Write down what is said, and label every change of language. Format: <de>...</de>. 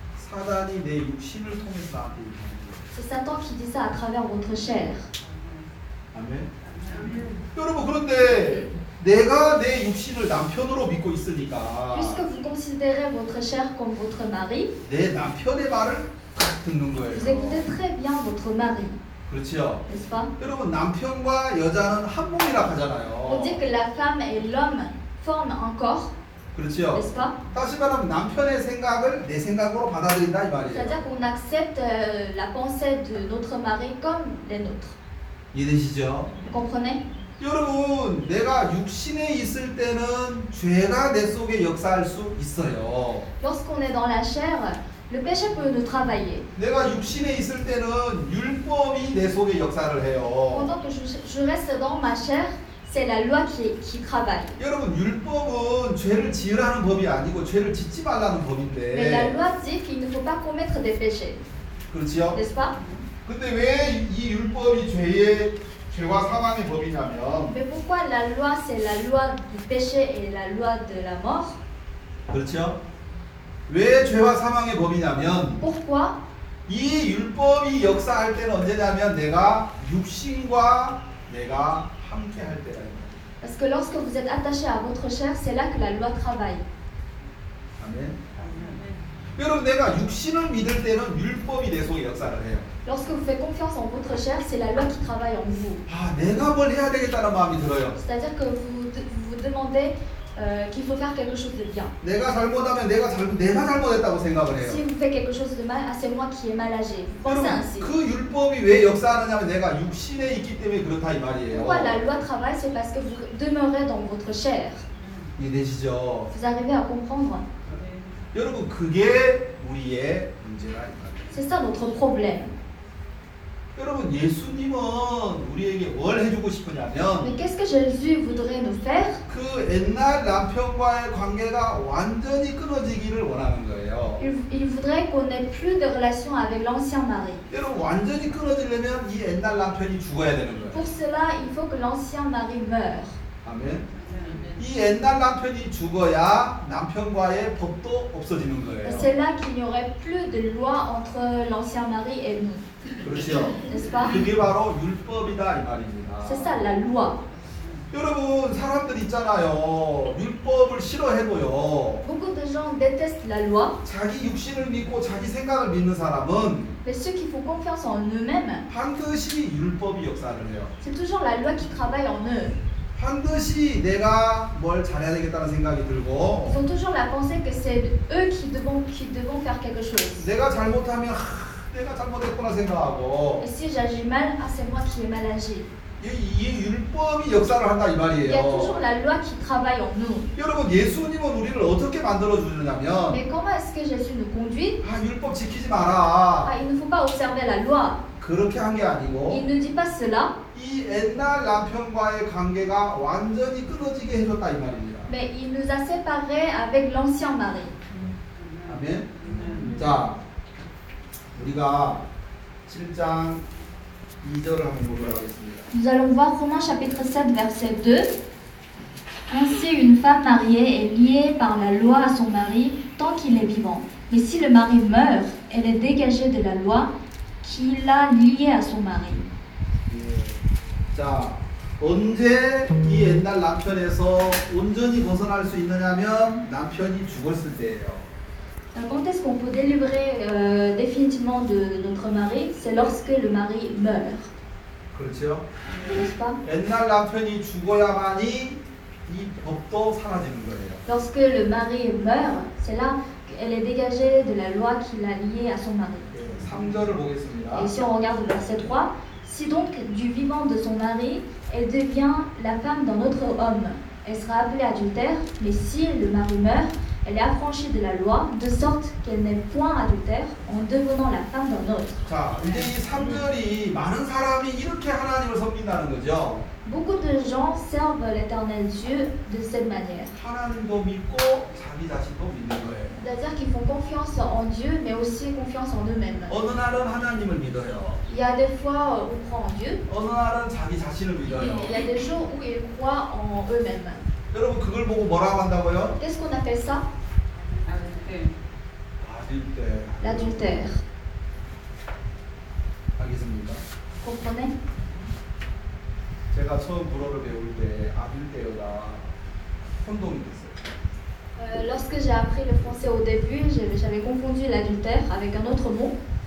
<ko>사단이 내 육신을 통해서 나한테</ko> <fr>C'est Satan qui dit ça à travers votre chair. Amen.</fr> <ko>여러분 그런데 내가 내 육신을 남편으로 믿고 있으니까.</ko> <fr>Puisque vous considérez votre chair comme votre mari.</fr> <ko>내 남편의 말을 듣는 거예요.</ko> <fr>Vous écoutez très bien votre mari.</fr> <ko>그렇죠.</ko> <fr>N'est-ce pas?</fr> <ko>여러분 남편과 여자는 한 몸이라 하잖아요.</ko> <fr>On dit que la femme et l'homme forment un corps.</fr> <ko>그렇죠.</ko> <fr>N'est-ce pas?</fr> <ko>다시 말하면 남편의 생각을 내 생각으로 받아들인다 이 말이에요.</ko> <fr>C'est-à-dire qu'on accepte la pensée de notre mari comme les nôtres.</fr> <ko>이해되시죠?</ko> <fr>Vous comprenez?</fr> <ko>여러분, 내가 육신에 있을 때는 죄가 내 속에 역사할 수 있어요.</ko> <fr>Lorsqu'on est dans la chair, le péché peut nous travailler.</fr> <ko>내가 육신에 있을 때는 율법이 내 속에 역사를 해요.</ko> <fr>Pendant que je reste dans ma chair, C'est la loi qui travaille.</fr> <ko>여러분 율법은 죄를 지으라는 법이 아니고 죄를 짓지 말라는 법인데.</ko> <fr>Mais la loi dit qu'il ne faut pas commettre des péchés.</fr> <ko>그렇지요?</ko> <fr>N'est-ce pas?</fr> <ko>근데 왜 이 율법이 죄와 사망의 법이냐면?</ko> <fr>Mais pourquoi la loi c'est la loi du péché et la loi de la mort?</fr> <ko>그렇죠? 왜 죄와 사망의 법이냐면?</ko> <fr>Pourquoi?</fr> <ko>이 율법이 역사할 때는 언제냐면 내가 육신과 내가</ko> <fr>Parce que lorsque vous êtes attaché à votre chair, c'est là que la loi travaille. Amen.</fr> <ko>여러분, 내가 육신을 믿을 때는 율법이 내 속에 역사를 해요.</ko> <fr>Lorsque vous faites confiance en votre chair, c'est la loi qui travaille en vous.</fr> <ko>아, 내가 뭘 해야 되겠다는 마음이 들어요.</ko> <fr>C'est-à-dire que vous demandez qu'il faut faire quelque chose de bien.</fr> <ko>내가 잘못하면 내가 잘못했다고 생각을 해요.</ko> <fr>Si vous faites quelque chose de mal, ah, c'est moi qui ai mal agi. Pensez ainsi.</fr> <ko>그 율법이 왜 역사하느냐면 내가 육신에 있기 때문에 그렇다 이 말이에요.</ko> <fr>Pourquoi la loi travaille, c'est parce que vous demeurez dans votre chair.</fr> <ko>이해되시죠?</ko> <fr>Vous arrivez à comprendre?</fr> <ko>여러분 그게 우리의 문제라 이 말이에요.</ko> <fr>C'est ça notre problème.</fr> <ko>여러분 예수님은 우리에게 뭘 해주고 싶으냐면</ko> <fr>Mais qu'est-ce que Jésus voudrait nous faire?</fr> <ko>그 옛날 남편과의 관계가 완전히 끊어지기를 원하는 거예요.</ko> <fr>Il voudrait qu'on n'ait plus de relation avec l'ancien mari.</fr> <ko>여러분 완전히 끊어지려면 이 옛날 남편이 죽어야 되는 거예요.</ko> <fr>Pour cela, il faut que l'ancien mari meure.</fr> <ko>아멘. 이 옛날 남편이 죽어야 남편과의 법도 없어지는 거예요.</ko> <fr>C'est là qu'il n'y aurait plus de loi entre l'ancien mari et nous.</fr> <ko>그렇죠.</ko> <fr>N'est-ce pas?</fr> <ko>그게 바로 율법이다 이 말입니다.</ko> <fr>C'est ça la loi.</fr> <ko>여러분 사람들 있잖아요. 율법을 싫어해도요.</ko> <fr>Beaucoup de gens détestent la loi.</fr> <ko>자기 육신을 믿고 자기 생각을 믿는 사람은</ko> <fr>Mais ceux qui font confiance en eux-mêmes</fr> <ko>반드시 율법이 역사를 해요.</ko> <fr>C'est toujours la loi qui travaille en eux.</fr> <ko>반드시 내가 뭘 잘해야 되겠다는 생각이 들고</ko> <fr>Ils ont toujours la pensée que c'est eux qui devront faire quelque chose.</fr> <ko>내가 잘못하면 내가 잘못했구나 생각하고</ko> <fr>Et si j'agis mal, ah, c'est moi qui ai mal agi.</fr> <ko>이 율법이 역사를 한다 이 말이에요.</ko> <fr>Il y a toujours la loi qui travaille en nous.</fr> <ko>여러분 예수님은 우리를 어떻게 만들어 주느냐면</ko> <fr>Mais comment est-ce que Jésus nous conduit?</fr> <ko>아, 율법 지키지 마라.</ko> <fr>Ah, il ne faut pas observer la loi.</fr> <ko>그렇게 한 게 아니고</ko> <fr>il ne dit pas cela.</fr> <ko>이 옛날 남편과의 관계가 완전히 끊어지게 해줬다 이 말입니다.</ko> <fr>Mais il nous a séparés avec l'ancien mari.</fr> <ko>아멘. 자, 우리가 7장 2절을 한번 보도록 하겠습니다.</ko> <fr>Nous allons voir Romains chapitre 7 verset 2. Ainsi, une femme mariée est liée par la loi à son mari tant qu'il est vivant. Mais si le mari meurt, elle est dégagée de la loi qui l'a liée à son mari.</fr> <ko>자, 언제 이 옛날 남편에서 온전히 벗어날 수 있느냐면 남편이 죽었을 때예요.</ko> <fr>Quand est-ce qu'on peut délivrer définitivement de notre mari? C'est lorsque le mari meurt.</fr> <ko>그렇죠? 그렇습니까? 옛날 남편이 죽어야만이 이 법도 사라지는 거예요.</ko> <fr>Lorsque le mari meurt, c'est là qu'elle est dégagée de la loi qui l'a liée à son mari.</fr> <ko>3절을 보겠습니다.</ko> <fr>Et si on regarde le verset 3, si donc du vivant de son mari, elle devient la femme d'un autre homme, elle sera appelée adultère, mais si le mari meurt, elle est affranchie de la loi, de sorte qu'elle n'est point adultère en devenant la femme d'un autre.</fr> <ko>자, 이제 이 3절이 많은 사람이 이렇게 하나님을 섬긴다는 거죠.</ko> <fr>Beaucoup de gens servent l'éternel Dieu de cette manière.</fr> <ko>하나님도 믿고 자기 자신도 믿는 거예요.</ko> <fr>C'est-à-dire qu'ils font confiance en Dieu, mais aussi confiance en eux-mêmes.</fr> <ko>어느 날은 하나님을 믿어요.</ko> <fr>Il y a des fois où ils croient en Dieu.</fr> <ko>어느 날은 자기 자신을 믿어요.</ko> <fr>Il y a des jours où ils croient en eux-mêmes.</fr> <ko>여러분 그걸 보고 뭐라고 한다고요?</ko> <fr>Qu'est-ce qu'on appelle ça? Adultère. L'adultère.</fr> <ko>알겠습니까?</ko> <fr>Comprenez?</fr> <ko>제가 처음 불어를 배울 때 아들대어가 혼동이 됐어요.</ko> <fr>Lorsque j'ai appris le français au début, j'avais confondu l'adultère avec un autre mot.</fr>